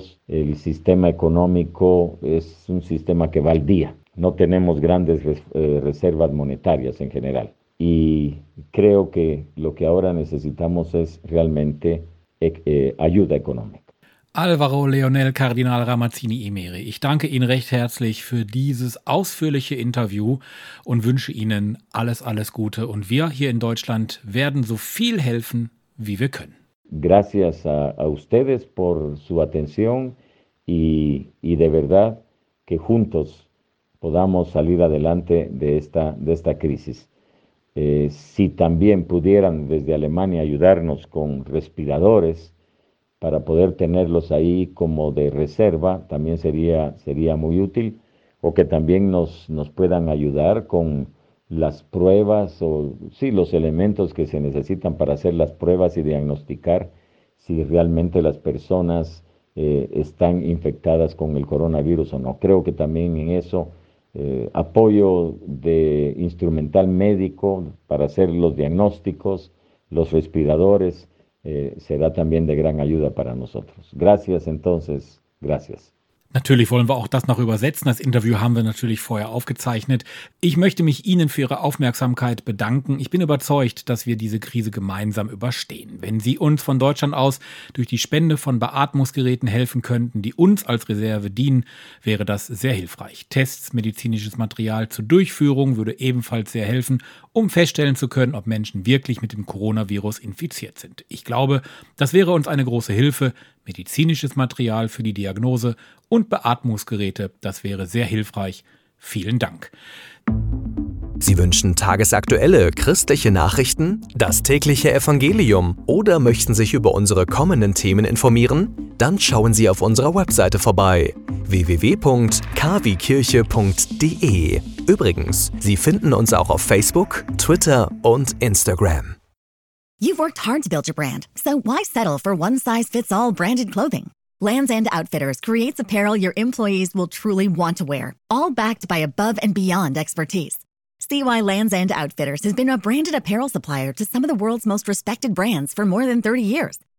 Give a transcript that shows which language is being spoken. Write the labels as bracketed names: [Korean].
[Spanish] El sistema económico es un sistema que va al día. No tenemos grandes reservas monetarias en general. Y creo que lo que ahora necesitamos es realmente ayuda económica. [German] Álvaro Leonel Cardinal Ramazzini Imeri, ich danke Ihnen recht herzlich für dieses ausführliche Interview und wünsche Ihnen alles, alles Gute. Und wir hier in Deutschland werden so viel helfen, wie wir können. [Spanish] Gracias a ustedes por su atención y de verdad que juntos podamos salir adelante de esta crisis. Si también pudieran desde Alemania ayudarnos con respiradores para poder tenerlos ahí como de reserva, también sería muy útil, o que también nos puedan ayudar con las pruebas o sí, los elementos que se necesitan para hacer las pruebas y diagnosticar si realmente las personas están infectadas con el coronavirus o no. Creo que también en eso apoyo de instrumental médico para hacer los diagnósticos, los respiradores, será también de gran ayuda para nosotros. Gracias entonces, gracias. [German] Natürlich wollen wir auch das noch übersetzen. Das Interview haben wir natürlich vorher aufgezeichnet. Ich möchte mich Ihnen für Ihre Aufmerksamkeit bedanken. Ich bin überzeugt, dass wir diese Krise gemeinsam überstehen. Wenn Sie uns von Deutschland aus durch die Spende von Beatmungsgeräten helfen könnten, die uns als Reserve dienen, wäre das sehr hilfreich. Tests, medizinisches Material zur Durchführung würde ebenfalls sehr helfen, um feststellen zu können, ob Menschen wirklich mit dem Coronavirus infiziert sind. Ich glaube, das wäre uns eine große Hilfe. Medizinisches Material für die Diagnose und Beatmungsgeräte, das wäre sehr hilfreich. Vielen Dank. Sie wünschen tagesaktuelle christliche Nachrichten, das tägliche Evangelium oder möchten sich über unsere kommenden Themen informieren? Dann schauen Sie auf unserer Webseite vorbei, www.kwkirche.de. Übrigens, Sie finden uns auch auf Facebook, Twitter und Instagram. [English] You've worked hard to build your brand, so why settle for one-size-fits-all branded clothing? Lands' End Outfitters creates apparel your employees will truly want to wear, all backed by above and beyond expertise. See why Lands' End Outfitters has been a branded apparel supplier to some of the world's most respected brands for more than 30 years.